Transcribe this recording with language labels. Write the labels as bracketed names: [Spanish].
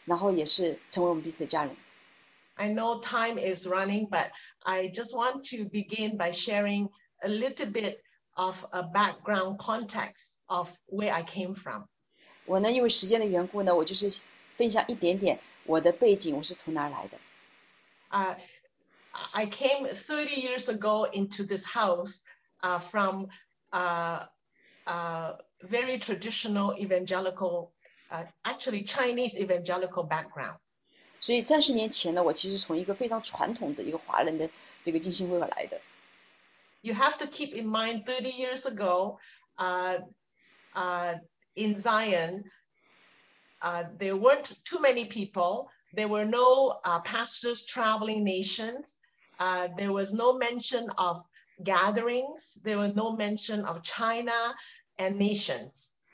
[Chinese] 我相信西安不再不会成为现在这个家，就是除非每一个人都是成为他自己，然后也是成为我们彼此的家人。I [English] know time is running, but I just want to begin by sharing a little bit of a background context of where I came from. [Chinese] 我呢，因为时间的缘故呢，我就是分享一点点我的背景，我是从哪来的。 [English] I came 30 years ago into this house from a very traditional evangelical, actually Chinese evangelical background. [Chinese] 所以30年前呢，我其实从一个非常传统的一个华人的这个浸信会来的。 [English] You have to keep in mind 30 years ago in Zion, there weren't too many people. There were no pastors traveling nations. There was no mention of gatherings. There was no mention of China and nations.